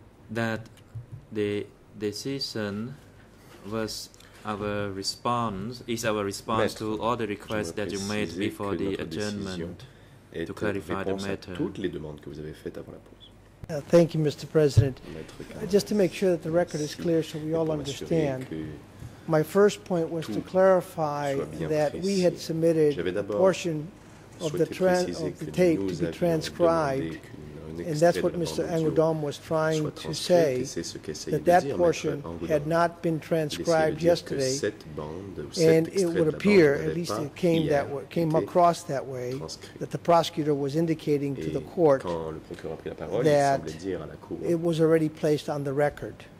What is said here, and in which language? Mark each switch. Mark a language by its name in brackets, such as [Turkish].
[English] That the decision was our response, is our response [French] Maître, [English] to all the requests that you made before the adjournment to clarify the matter. [French] Toutes les demandes que vous avez faites avant la pause. [English] Thank you, Mr. President. Just to make sure that the record is clear so we all understand. My first point was [French] tout [English] to clarify that [French] précis. [English] We had submitted a portion of the tape to be transcribed And that's what Mr. Angoudom was trying to say, that that portion had not been transcribed yesterday, and it would appear, at least it came that way, came across that way, that the prosecutor was indicating to the court that it was already placed on the record.